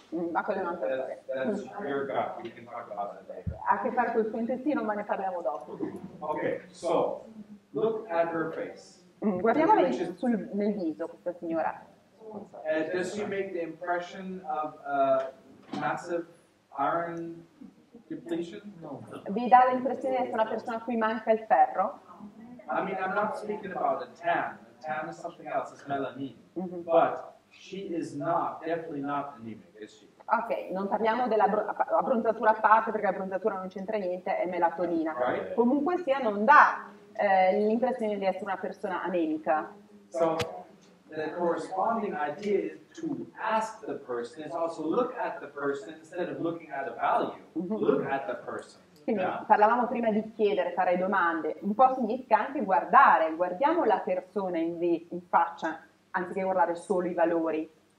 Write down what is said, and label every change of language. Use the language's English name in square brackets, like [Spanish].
[Italian] Ma quello è un'altra storia. Ha a che fare col suo intestino, ma ne parliamo dopo. [English] Ok, so, look at her face. [Italian] Guardiamo nel viso questa signora. [English] Does she make the impression of a massive iron depletion? No. [Italian] Vi dà l'impressione di essere una persona a cui manca il ferro? [English] I mean, I'm not speaking about a tan. A tan is something else, it's melanin. Mm-hmm. But she is not, definitely not anemic, is she? [Italian] Ok, non parliamo della abbronzatura a parte, perché l'abbronzatura non c'entra niente, è melatonina. [English] Right. [Italian] Comunque sia, non dà l'impressione di essere una persona anemica. [English] So, the corresponding idea is to ask the person, is also look at the person, instead of looking at a value, look at the person. [Italian] Quindi parlavamo prima di chiedere, fare domande, un po' significa anche guardare, guardiamo la persona in faccia, anziché guardare solo i valori.